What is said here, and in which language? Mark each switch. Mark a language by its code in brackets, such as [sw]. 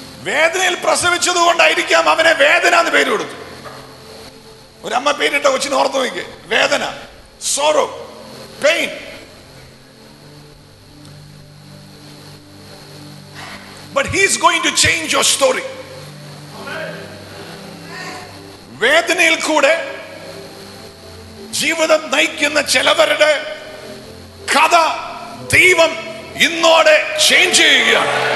[ml] വേദനയിൽ പ്രസവിച്ചത് കൊണ്ടായിരിക്കാം അവനെ വേദന എന്ന് പേര് കൊടുത്തു. ഒരമ്മ പേരിട്ട കൊച്ചിന് ഓർത്തു നോക്കി, വേദന, [en] Sorrow, pain. But he is going to change your story. [ml] വേദനയിൽ കൂടെ ജീവിതം നയിക്കുന്ന ചിലവരുടെ കഥ ദൈവം ഇന്നോടെ ചേഞ്ച് ചെയ്യുകയാണ്.